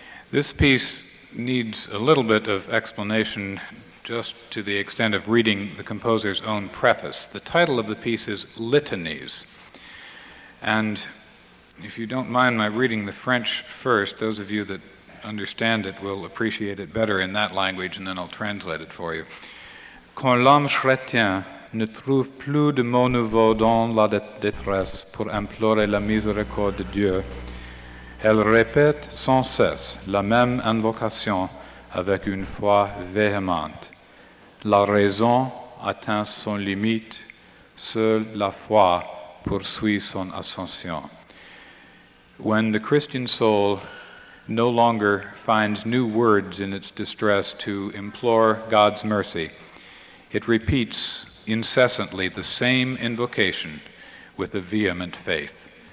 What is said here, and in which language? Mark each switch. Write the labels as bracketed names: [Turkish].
[English] This piece needs a little bit of explanation just to the extent of reading the composer's own preface. The title of the piece is Litanies. And if you don't mind my reading the French first, those of you that understand it will appreciate it better in that language, and then I'll translate it for you. [French] Quand l'homme chrétien ne trouve plus de mots nouveaux dans la détresse pour implorer la miséricorde de Dieu, elle répète sans cesse la même invocation avec une foi véhémente. La raison atteint son limite, seule la foi poursuit son ascension. [English] When the Christian soul no longer finds new words in its distress to implore God's mercy, it repeats incessantly the same invocation with a vehement faith.